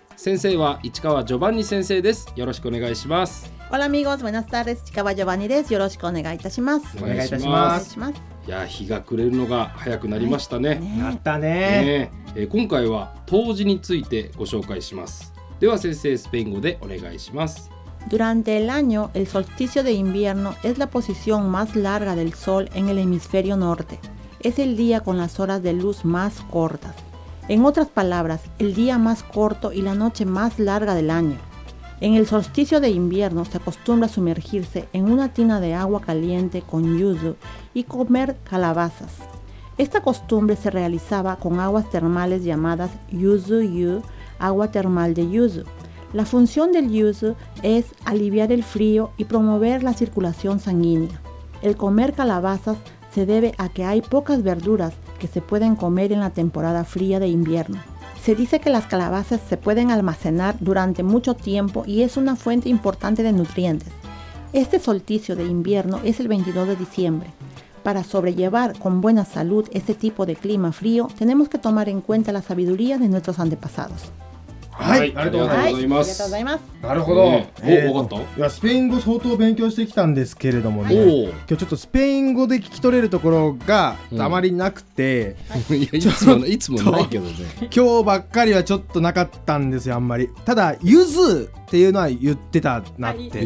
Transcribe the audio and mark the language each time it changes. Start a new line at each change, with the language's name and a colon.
Japanese: 先生は市川ジョバンニ先生です。よろしくお願いします。オラミゴズマナスターです。市川ジョバンニです。よろしくお願いいたします。お願いいたします。いや、日が暮れるのが早くなりましたね。なったね。今回は冬至についてご紹介します。では先生、スペイン語でお願いします。
Spanish: Durante el año, el solsticio de invierno es la posición más larga del sol en el hemisferio norte. Es el día con las horas de luz más cortas. En otras palabras, el día más corto y la noche más larga del año. En el solsticio de invierno se acostumbra a sumergirse en una tina de agua caliente con yuzu y comer calabazas. Esta costumbre se realizaba con aguas termales llamadas yuzu-yu, agua termal de yuzu. La función del yuzu es aliviar el frío y promover la circulación sanguínea. El comer calabazas se debe a que hay pocas verduras que se pueden comer en la temporada fría de invierno. Se dice que las calabazas se pueden almacenar durante mucho tiempo y es una fuente importante de nutrientes. Este solsticio de invierno es el 22 de diciembre. Para sobrellevar con buena salud este tipo de clima frío, tenemos que tomar en cuenta la sabiduría de nuestros antepasados.
Japanese: はい、ありがとうございます。なるほど、分かった。いや、スペイン語相当勉強してきたんですけれどもね、今日ちょっとスペイン語で聞き取れるところがあまりなくて、はい、いつもないけどね。今日ばっかりはちょっとなかったんですよ、あんまり。ただゆずっていうのは言ってたなって。